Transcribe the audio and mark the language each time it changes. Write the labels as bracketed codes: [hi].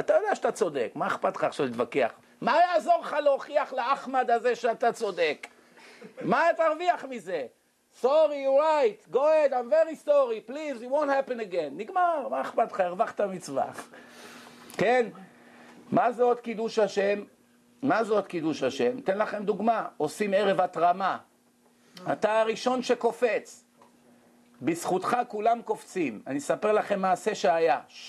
[he] אתה יודע שאתה צודק, מה אכפת לך עכשיו להתווכח? מה יעזור לך להוכיח לאחמד הזה שאתה צודק? מה תרוויח מזה? [en] Sorry, you're right, go ahead, I'm very sorry, please, it won't happen again. [he] נגמר, מה אכפת לך, הרווחת מצווה. כן? מה זה עוד קידוש השם? מה זה עוד קידוש השם? תן לכם דוגמה, עושים ערב התרמה. אתה הראשון שקופץ. בזכותך כולם קופצים. אני אספר לכם מעשה שהיה.